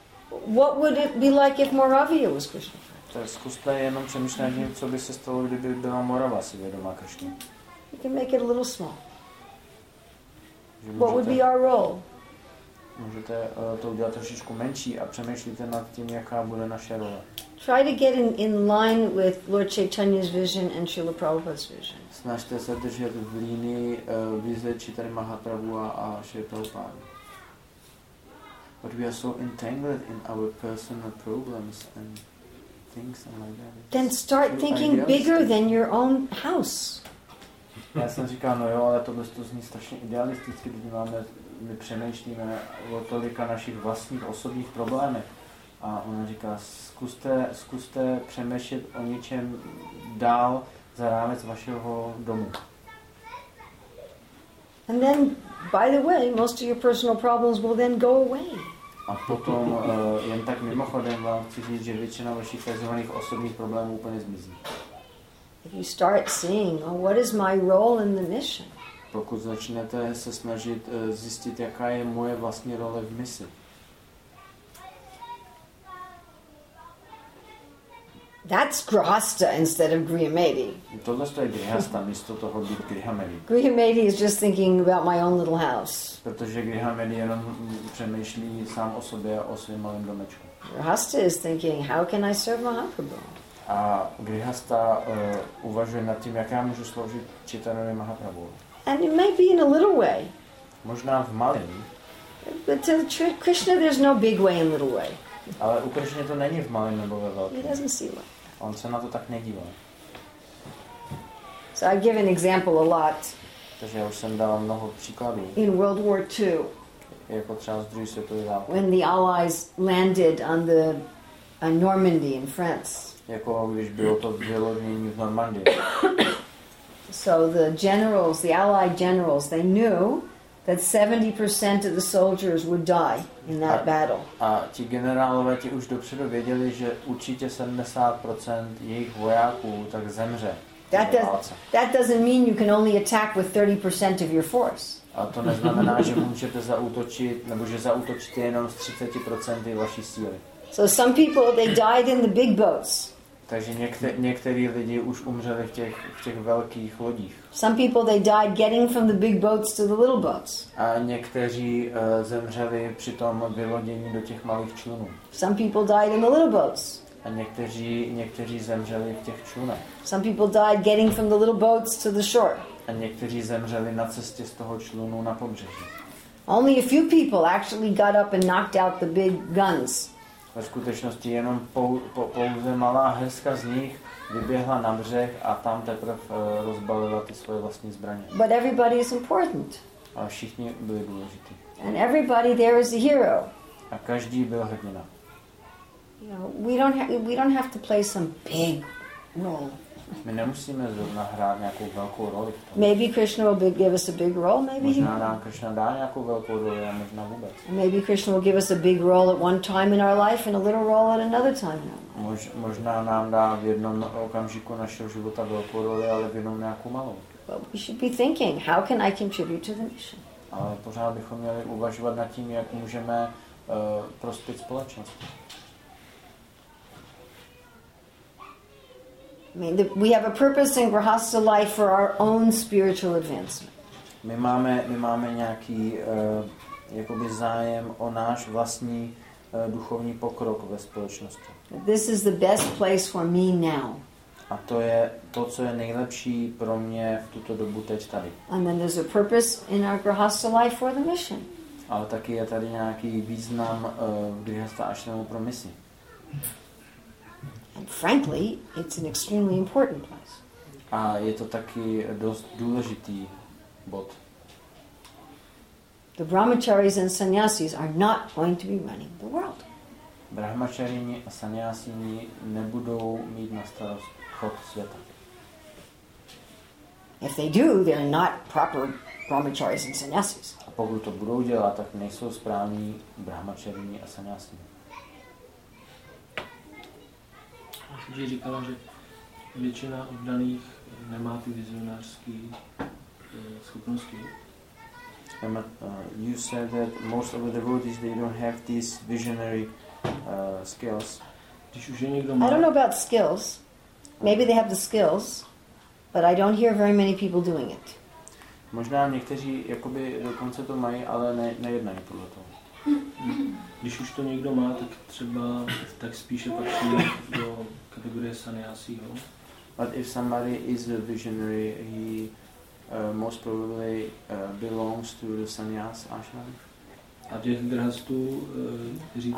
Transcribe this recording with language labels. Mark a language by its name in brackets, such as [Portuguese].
[English] What would it be like if Moravia was Krishna? [Czech] Tak zkuste jenom přemýšlet, co by se stalo, kdyby byla Morava si vědomá Krishna. [English] You can make it a little small. What would be our role? [Czech] můžete to udělat trošičku menší a přemýšlíte nad tím, jaká bude naše role. [English] Try to get in line with Lord Chaitanya's vision and Srila Prabhupada's vision. [Czech] Snažte se držet v línii vize Chaitanya Mahaprabhu a Srila Prabhupada. [English] But we are so entangled in our personal problems and things and like that. Then start thinking bigger than your own house. [Czech] Já jsem říkal, no jo, ale tohle to zní strašně idealisticky, když máme, my přemýšlíme o tolika našich vlastních osobních problémech. A ona říká, zkuste přemýšlet o něčem dál za rámec vašeho domu. [English] And then, by the way, most of your personal problems will then go away. [Czech] A potom, jen tak mimochodem, vám chci říct, že většina vašich fazovaných osobních problémů úplně zmizí. [English] If you start seeing, oh, what is my role in the mission? [Czech] Pokud začnete se snažit zjistit, jaká je moje vlastní role v misi. [English] That's Grihastha instead of Grihamedi. [Czech] Tohle je Grihastha místo toho být Grihamedi. [English] Grihamedi is just thinking about my own little house. [Czech] Protože Grihamedi jenom přemýšlí sám o sobě a o svém malém domečku. [English] Grihastha is thinking, how can I serve Mahaprabhu? [Czech] A Grihastha uvažuje nad tím, jak já můžu sloužit Chaitanyovi Mahaprabhu. [English] And it may be in a little way. [Czech] Možná v malém. [English] But to Krishna there's no big way and little way. [Czech] Ale u Krishny to není v malém nebo ve velkém. [English] He doesn't see it. [Czech] On se na to tak nedívá. [English] So I give an example a lot. [Czech] Takže já už jsem dal mnoho příkladů. [English] In World War II. [Czech] Jako třeba z druhé světové války. [English] When the Allies landed on the on Normandy in France. [Czech] Jako když bylo to vylodnění v Normandii. [English] So the generals, the Allied generals, they knew that 70% of the soldiers would die in that battle. [Czech] A ti generálové ti už dopředu věděli, že určitě 70% jejich vojáků tak zemře. [English] That doesn't mean you can only attack with 30% of your force. [Czech] A to neznamená, že můžete zaútočit, nebo že zaútočíte jenom s 30% vaší síly. [English] So some people they died in the big boats. [Czech] Takže někteří lidi už umřeli v těch velkých lodích. [English] Some people they died getting from the big boats to the little boats. [Czech] A někteří zemřeli při tom vylodění do těch malých člunů. [English] Some people died in the little boats. [Czech] A někteří zemřeli v těch člunech. [English] Some people died getting from the little boats to the shore. [Czech] A někteří zemřeli na cestě z toho člunu na pobřeží. [English] Only a few people actually got up and knocked out the big guns. [Czech] Ve skutečnosti jenom pouze malá hrstka z nich vyběhla na břeh a tam teprve rozbalila ty svoje vlastní zbraně. [English] But everybody is important. [Czech] A všichni byli důležití. [English] And everybody there is a hero. [Czech] A každý byl hrdina. [English] You know, we don't have to play some big role. [Czech] My nemusíme zrovna hrát nějakou velkou roli. [English] Maybe Krishna will give us a big role, maybe. [Czech] Možná nám Krishna dá nějakou velkou roli, a možná vůbec. [English] Maybe Krishna will give us a big role at one time in our life and a little role at another time. [Czech] Možná nám dá v jednom okamžiku našeho života velkou roli, ale v jednom nějakou malou. [English] But we should be thinking, how can I contribute to the mission? [Czech] Ale pořád bychom měli uvažovat nad tím, jak můžeme prospět společnosti. [English] I mean, we have a purpose in Grihastha life for our own spiritual advancement. [Czech] My máme nějaký jakoby zájem o náš vlastní duchovní pokrok ve společnosti. [English] This is the best place for me now. [Czech] A to je to, co je nejlepší pro mě v tuto dobu teď tady. [English] And then there's a purpose in our Grihastha life for the mission. [Czech] Ale taky je tady nějaký význam v Grihastha ashramu pro misi. [English] Frankly, it's an extremely important place. [Czech] A je to taky dost důležitý bod. [English] The brahmacharis and sannyasis are not going to be running the world. [Czech] Brahmacharini a sannyasini nebudou mít na starost chod světa. [English] If they do, they're not proper brahmacharis and sannyasis. [Czech] A pokud to budou dělat, tak nejsou správní brahmacharini a sannyasini. Že říkala, že většina oddaných nemá ty vizionářské schopnosti. [English] You said that most of the devotees they don't have these visionary skills. [Czech] Když už je někdo má... [English] I don't know about skills. Maybe they have the skills, but I don't hear very many people doing it. [Czech] Možná někteří jakoby dokonce to mají, ale nejednají podle toho. Když už to někdo má, tak třeba tak spíše patří do kategorie sanyasiho. [English] But if somebody is a visionary, he most probably belongs to the sannyas ashram. [Czech] A těch grahastů, kteří to